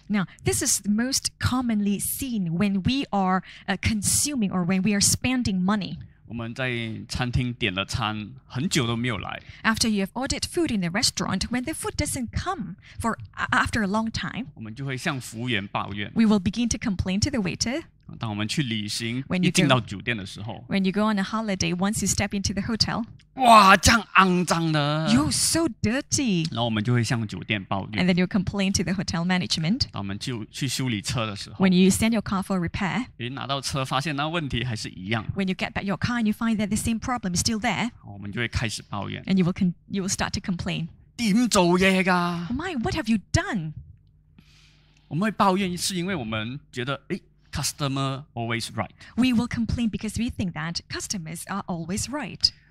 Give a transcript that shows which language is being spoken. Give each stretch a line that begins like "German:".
English: Now, this is most commonly seen when we are consuming or when we are spending money.
Chinese: 我们在餐厅点了餐，很久都没有来。
English: After you have ordered food in the restaurant, when the food doesn't come for after a long time,
Chinese: 我们就会向服务员抱怨。
English: We will begin to complain to the waiter.
Chinese: 当我们去旅行, 一进到酒店的时候,
English: when you go on a holiday, once you step into the hotel,
Chinese: 哇,这样肮脏的,
English: you're so dirty.
Chinese: 然后我们就会向酒店抱怨,
English: and then you complain to the hotel management.
Chinese: 当我们去修理车的时候,
English: when you send your car for repair,
Chinese: 诶,拿到车, 发现那问题还是一样,
English: when you get back your car and you find that the same problem is still there,
Chinese: 我们就会开始抱怨,
English: and you will start to complain.
Chinese: 怎么做的啊?
English: My, what have you done?
Chinese: 我们会抱怨是因为我们觉得, 诶,
English: customer always right. We will complain because we think that customers are always right.